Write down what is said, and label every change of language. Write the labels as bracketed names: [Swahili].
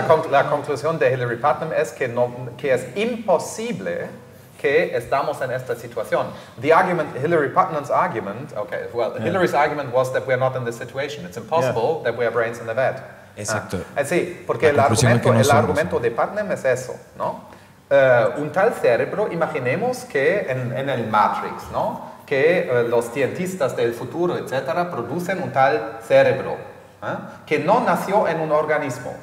[Spanish] La conclusión de Hilary Putnam es que, no, que es imposible que estamos en esta situación. [English] The argument, Hilary Putnam's argument, Hilary's argument was that we're not in this situation. It's impossible that we have brains in the vat. [Spanish] Exacto. Sí, porque el argumento de Putnam es eso, ¿no? Un tal cerebro, imaginemos que en el Matrix, ¿no? que los cientistas del futuro, etcétera, producen un tal cerebro, que no nació en un organismo.